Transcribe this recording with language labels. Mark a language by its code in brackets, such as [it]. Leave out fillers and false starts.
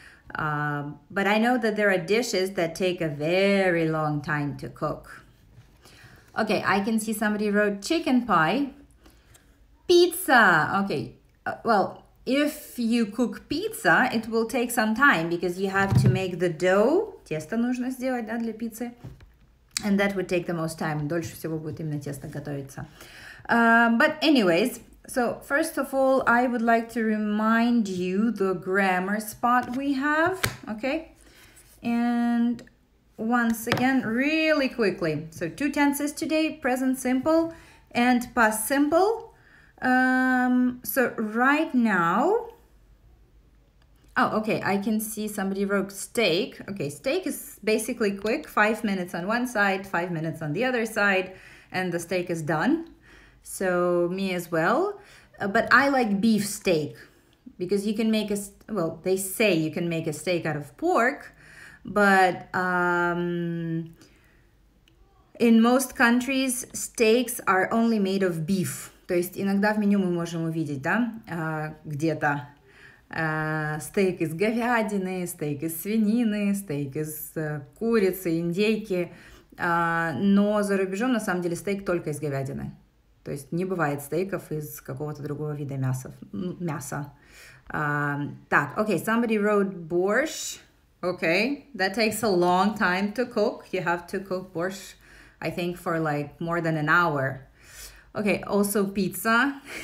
[en] But I know that there are dishes that take a very long time to cook. Okay, I can see somebody wrote chicken pie. Pizza! Okay, well, if you cook pizza, it will take some time because you have to make the dough. [ru] Тесто нужно сделать, да, для пиццы. [en] And that would take the most time. [ru] Дольше всего будет именно тесто готовиться. [en] But anyways... So, first of all, I would like to remind you the grammar spot we have, okay? And once again, really quickly. So, two tenses today, present simple and past simple. So, right now... Oh, okay, I can see somebody wrote steak. Okay, steak is basically quick, 5 minutes on one side, 5 minutes on the other side, and the steak is done. So, me as well. But I like beef steak because you can make a, well, they say you can make a steak out of pork, but in most countries, steaks are only made of beef. [ru] То есть иногда в меню мы можем увидеть, да, где-то стейк из говядины, стейк из свинины, стейк из курицы, индейки. Но за рубежом, на самом деле, стейк только из говядины. То есть не бывает стейков из какого-то другого вида мяса. [en] Так, okay, somebody wrote borscht. Okay, that takes a long time to cook. You have to cook borscht, I think, for like more than an hour. Okay, also pizza.